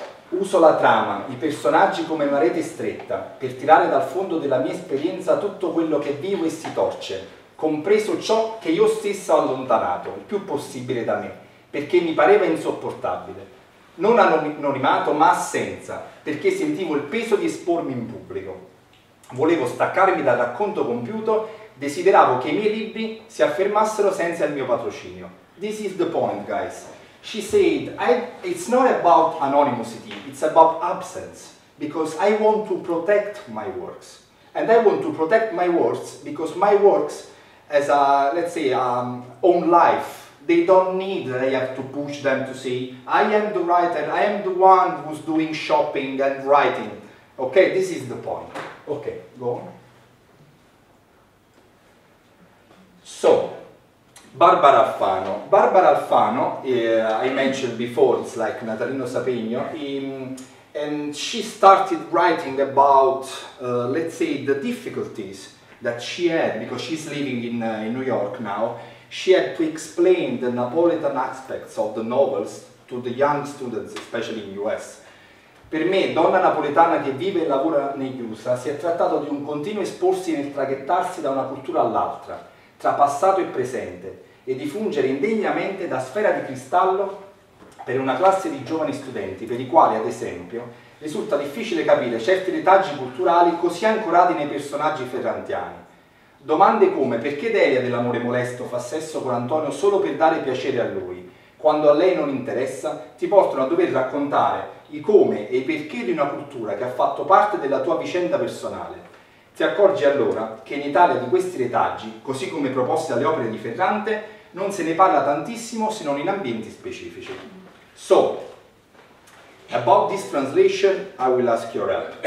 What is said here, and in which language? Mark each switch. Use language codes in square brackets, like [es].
[it] Uso la trama, i personaggi come una rete stretta, per tirare dal fondo della mia esperienza tutto quello che vivo e si torce, compreso ciò che io stesso ho allontanato, il più possibile da me, perché mi pareva insopportabile. Non anonimato, ma assenza, perché sentivo il peso di espormi in pubblico. Volevo staccarmi dal racconto compiuto, desideravo che i miei libri si affermassero senza il mio patrocinio. [en] This is the point, guys. She said, it's not about anonymity, it's about absence, because I want to protect my works. And I want to protect my works because my works as a, let's say, own life. They don't need, they have to push them to say, I am the writer, I am the one who's doing shopping and writing. Okay, this is the point. Okay, go on. So, Barbara Alfano. Barbara Alfano, I mentioned before, it's like Natalino Sapegno, and she started writing about, let's say, the difficulties that she had, because she's living in New York now. She had to explain the Napolitan aspects of the novels to the young students, especially in US. [it] Per me, donna napoletana che vive e lavora negli USA, si è trattato di un continuo esporsi nel traghettarsi da una cultura all'altra, tra passato e presente, e di fungere indegnamente da sfera di cristallo per una classe di giovani studenti, per i quali, ad esempio, risulta difficile capire certi retaggi culturali così ancorati nei personaggi ferrantiani. Domande come perché Delia dell'amore molesto fa sesso con Antonio solo per dare piacere a lui, quando a lei non interessa, ti portano a dover raccontare i come e i perché di una cultura che ha fatto parte della tua vicenda personale. Ti accorgi allora che in Italia di questi retaggi, così come proposti dalle opere di Ferrante, non se ne parla tantissimo se non in ambienti specifici. [en] So, about this translation, I will ask your help.